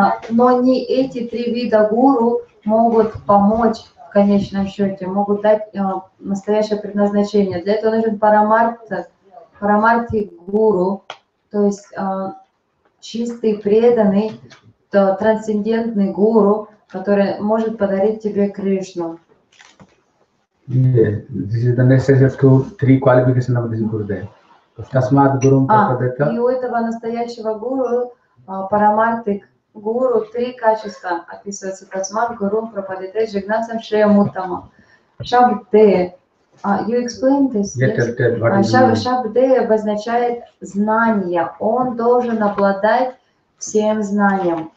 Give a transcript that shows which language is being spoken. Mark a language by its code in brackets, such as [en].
[ru] Но не эти три вида гуру могут помочь в конечном счете, могут дать настоящее предназначение. Для этого нужен парамарти гуру, то есть чистый, преданный, трансцендентный гуру, который может подарить тебе Кришну. [en] This is the necessary to three qualifications of this Gurudev. [ru] И у этого настоящего гуру, парамартик гуру, три качества описываются. Касмат Гурум Прападете Джигнасам Шриамуттама. Шабдея. [en] You explain this? Yes. [ru] Шабдея обозначает знание. Он должен обладать всем знанием.